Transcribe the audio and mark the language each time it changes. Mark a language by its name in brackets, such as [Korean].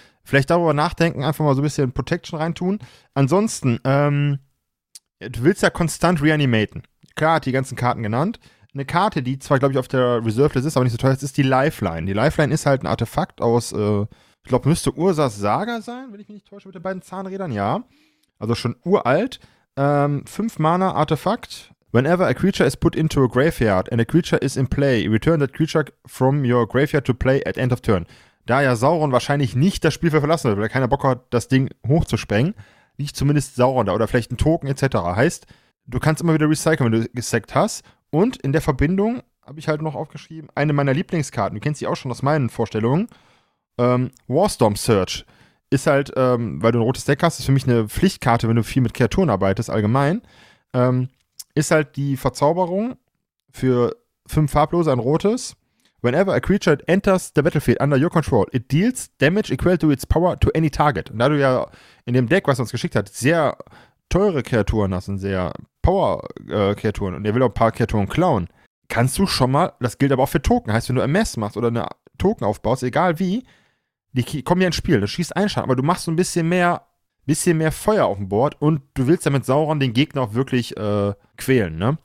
[German] Vielleicht darüber nachdenken, einfach mal so ein bisschen Protection reintun. Ansonsten, du willst ja konstant reanimaten. Klar, hat die ganzen Karten genannt. Eine Karte, die zwar, glaube ich, auf der Reserve-List ist, aber nicht so teuer ist, ist die Lifeline. Die Lifeline ist halt ein Artefakt aus, ich glaube, müsste Ursas Saga sein, wenn ich mich nicht täusche, mit den beiden Zahnrädern, ja. Also schon uralt. 5-Mana-Artefakt. [English] Whenever a creature is put into a graveyard and a creature is in play, return that creature from your graveyard to play at end of turn. [German] Da ja Sauron wahrscheinlich nicht das Spiel verlassen wird, weil er keiner Bock hat, das Ding hochzusprengen, liegt zumindest Sauron da oder vielleicht ein Token etc. Heißt, du kannst immer wieder recyceln, wenn du gesackt hast. Und in der Verbindung habe ich halt noch aufgeschrieben, eine meiner Lieblingskarten, du kennst sie auch schon aus meinen Vorstellungen, Warstorm Surge. Ist halt, weil du ein rotes Deck hast, ist für mich eine Pflichtkarte, wenn du viel mit Kreaturen arbeitest allgemein. Ist halt die Verzauberung für 5 Farblose, ein rotes. [English] Whenever a creature enters the battlefield under your control, it deals damage equal to its power to any target. [German] Und da du ja in dem Deck, was er uns geschickt hat, sehr teure Kreaturen hast und sehr Power-Kreaturen und er will auch ein paar Kreaturen klauen, kannst du schon mal, das gilt aber auch für Token, heißt, wenn du MS machst oder eine Token aufbaust, egal wie, die kommen ja ins Spiel, du schießt einen Schaden, aber du machst so ein bisschen mehr Feuer auf dem Board und du willst ja mit Sauron den Gegner auch wirklich quälen, ne?